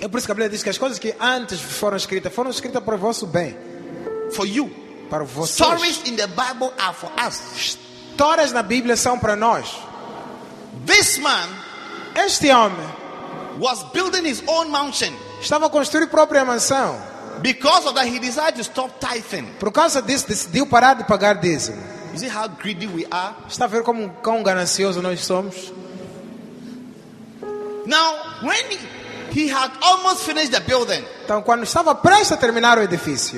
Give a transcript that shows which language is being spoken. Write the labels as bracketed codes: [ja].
[pt] É por isso que a Bíblia diz que as coisas que antes foram escritas para o vosso bem. [en] For you. [pt] Para vocês. [en] Stories in the Bible are for us. [pt] Histórias na Bíblia são para nós. [en] This man, [pt] este homem, [en] was building his own mansion. [pt] Estava a construir a própria mansão. [en] Because of that, he decided to stop tithing. [pt] Por causa disso, decidiu parar de pagar dízimo. [en] You see how greedy we are? [pt] Está a ver como quão ganancioso nós somos? [en] Now, when he had almost finished the building. [pt] Então, quando estava prestes a terminar o edifício.